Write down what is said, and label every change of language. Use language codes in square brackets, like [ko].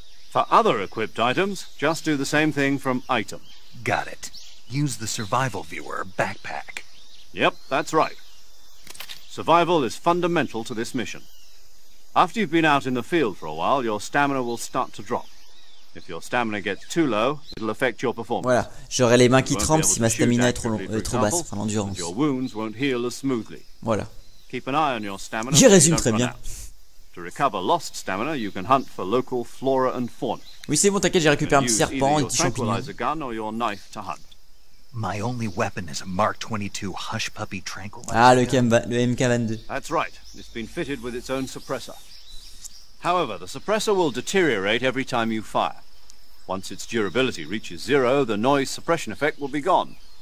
[en] For other equipped items, just do the same thing from item. Got it. Use the survival viewer backpack. Yep, that's right. Survival is fundamental to this mission. After you've been out in the field for a while, your stamina will start to drop. If your stamina gets too low, it'll affect your performance. [fr] Voilà, j'aurai les mains qui tremblent si ma stamina est trop basse, enfin l'endurance. [en] Your wounds won't heal as smoothly. [fr] Voilà. [en] Keep an eye on your stamina. [fr] J'y résume très bien. [en] To recover lost stamina, you can hunt for local flora and fauna. [fr] Oui, c'est bon, t'inquiète, j'ai récupéré un petit serpent, un petit champignon. [en] Use your gun or your knife to hunt. My only weapon is a Mark 22 hush puppy tranquilizer. [fr] Ah, le MK22. [en] That's right. It's been fitted with its own suppressor. However, the suppressor will deteriorate every time you fire. Once its durability reaches zero, the noise suppression effect will be gone.